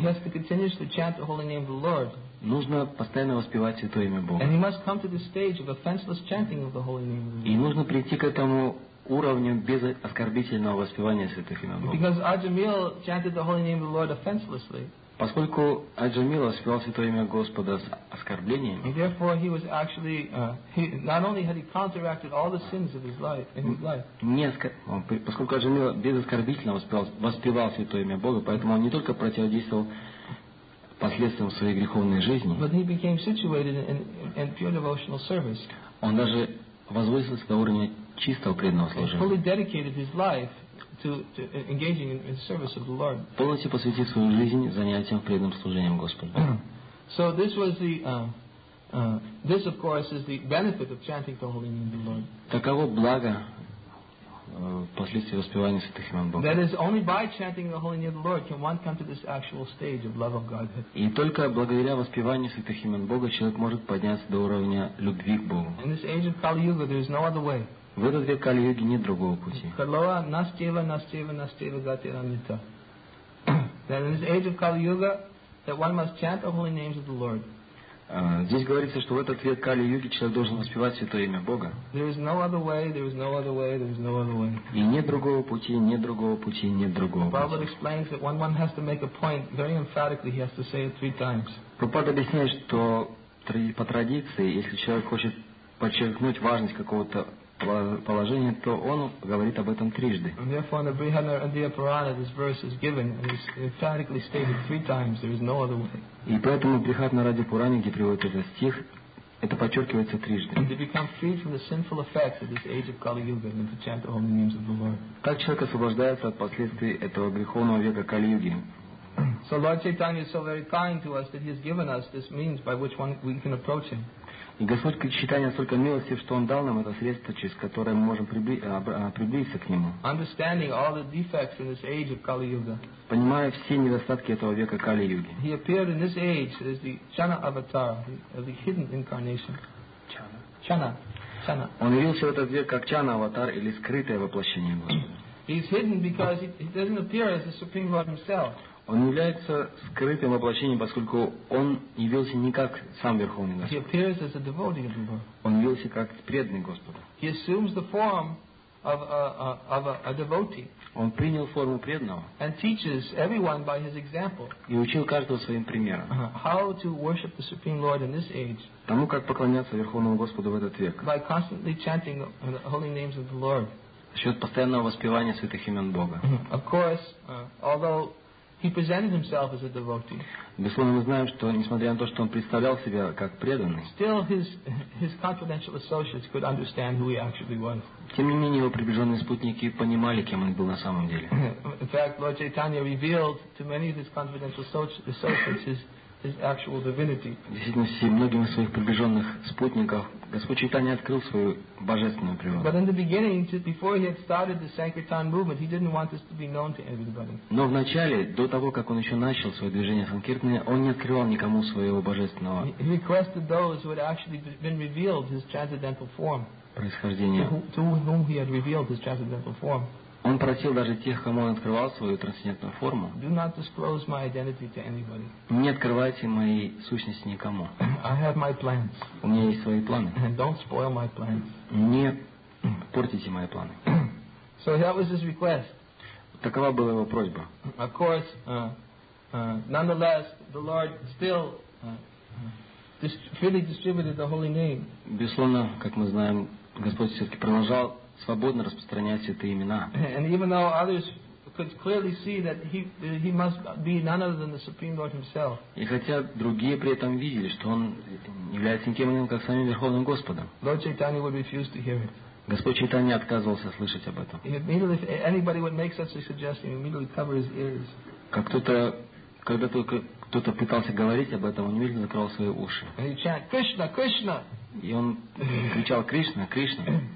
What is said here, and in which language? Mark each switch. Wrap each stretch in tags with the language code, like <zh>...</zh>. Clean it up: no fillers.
<en>He has to continuously chant the holy name of the Lord.</en> <ru>Нужно постоянно воспевать святое имя Бога.</ru> <en>And he must come to the stage of offenseless chanting of the holy name of the Lord.</en> <ru>И нужно прийти к этому уровню без оскорбительного воспевания святых имен Бога.</ru> <en>Because Ajamil chanted the holy name of the Lord offenselessly.</en> <ru>Поскольку Аджамила воспевал святое имя Господа с оскорблением,</ru> <en>and therefore he was actually not only had he counteracted all the sins of his life in his life.</en> <ru>Поскольку Аджамила без оскорбительного воспевал святое имя Бога, поэтому он не только противодействовал последствиям своей греховной жизни,</ru> <en>but he became situated in pure devotional service.</en> <ru>Он даже возвысился до уровня чистого преданного служения.</ru> <en>Fully dedicated his life to engaging in the service of the Lord.</en> <ru>Полностью посвятить свою жизнь занятиям преданным служением Господу.</ru> <en>So this was the This, of course, is the benefit of chanting the holy name of the Lord.</en> <ru>Таково благо последствия воспевания святых имен Бога.</ru> <en>That is only by chanting the holy name of the Lord can one come to this actual stage of love of Godhead.</en> <ru>И только благодаря воспеванию святых имен Бога человек может подняться до уровня любви к Богу.</ru> <en>In this age of Kali Yuga, there is no other way.</en> <ru>В этот век Кали Юги нет другого пути.</ru> <sa>Kalava nasteva nasteva nasteva gatiramita.</sa> <en>That in this age of Kali Yuga, that one must chant the holy names of the Lord.</en> <ru>Здесь говорится, что в этот век Кали-юги человек должен воспевать святое имя Бога.</ru> <en>There is no other way, there is no other way, there is no other way.</en> <ru>И нет другого пути, нет другого пути, нет другого пути.</ru> <en>Prabhupada explains that when one has to make a point, very emphatically he has to say it three times.</en> <ru>Prabhupada объясняет, что по традиции, если человек хочет подчеркнуть важность какого-то положения, то он говорит об этом трижды.</ru> <en>And therefore in the Brihadara and the Purana this verse is given and is emphatically stated three times, there is no other way.</en> <ru>И поэтому Брихат на Раде Пуране, где приводит этот стих, это подчеркивается трижды. Как человек освобождается от последствий этого греховного века Кали-юги?</ru> <en>So Lord Chaitanya is so very kind to us that he has given us this means by which one we can approach him.</en> <ru>И Господь Чайтанья столько милости, что Он дал нам это средство, через которое мы можем приблизиться к Нему.</ru> <en>Understanding all the defects in this age of Kali Yuga.</en> <ru>Понимая все недостатки этого века Кали-юги.</ru> <en>He appeared in this age as the Chana avatar, the hidden incarnation. Chana. Chana. Chana.</en> <ru>Он явился в этот век как Чана аватар или скрытое воплощение Господа.</ru> <en>He is hidden because he doesn't appear as the Supreme Lord Himself.</en> <ru>Он является скрытым воплощением, поскольку он явился не как сам Верховный Господь.</ru> <en>He appears as a devotee of the Lord.</en> <ru>Он явился как преданный Господу.</ru> <en>He assumes the form of a devotee.</en> <ru>Он принял форму преданного.</ru> <en>And teaches everyone by his example.</en> <ru>И учил каждого своим примером.</ru> <en>How to worship the Supreme Lord in this age.</en> <ru>Тому, как поклоняться Верховному Господу в этот век.</ru> <en>By constantly chanting the holy names of the Lord.</en> <ru>За счет постоянного воспевания святых имен Бога.</ru> <en>Of course, although he presented himself as a devotee.</en> <ru>Безусловно, мы знаем, что несмотря на то, что он представлял себя как преданный,</ru> <en>still his confidential associates could understand who he actually was.</en> <ru>Тем не менее, его приближенные спутники понимали, кем он был на самом деле.</ru> <en>In fact, Lord Chaitanya revealed to many of his confidential associates his actual divinity.</en> <ru>Действительно, многим из своих приближенных спутников Господь Чайтанья открыл свою божественную природу.</ru> <en>But in the beginning, before he had started the Sankirtan movement, he didn't want this to be known to everybody.</en> <ru>Но в начале, до того, как он еще начал свое движение Санкиртаны, он не открывал никому своего божественного.</ru> <en>He requested those who had actually been revealed his transcendental form.</en> <ru>Происхождение.</ru> <en>To whom he had revealed his transcendental form.</en> <ru>Он просил даже тех, кому он открывал свою трансцендентную форму,</ru> <en>do not disclose my identity to anybody.</en> <ru>Не открывайте мои сущности никому.</ru> <en>I have my plans.</en> <ru>У меня есть свои планы.</ru> <en>And don't spoil my plans.</en> <ru>Не портите мои планы.</ru> <en>So that was his request.</en> <ru>Такова была его просьба.</ru> <en>Of course, nonetheless, the Lord still freely distributed the holy name.</en> <ru>Безусловно, как мы знаем, Господь все-таки продолжал свободно распространять эти имена.</ru> <en>And even though others could clearly see that he must be none other than the Supreme Lord himself.</en> <ru>И хотя другие при этом видели, что он является никем иным, как самим Верховным Господом.</ru> <en>Lord Chaitanya would refuse to hear it.</en> <ru>Господь Чайтанья отказывался слышать об этом.</ru> <en>Immediately, if anybody would make such a suggestion, he immediately cover his ears.</en> <ru>Как кто-то, когда только кто-то пытался говорить об этом, он немедленно закрывал свои уши.</ru> <en>And he chant, Krishna, Krishna.</en> <ru>И он кричал, Кришна, Кришна.</ru>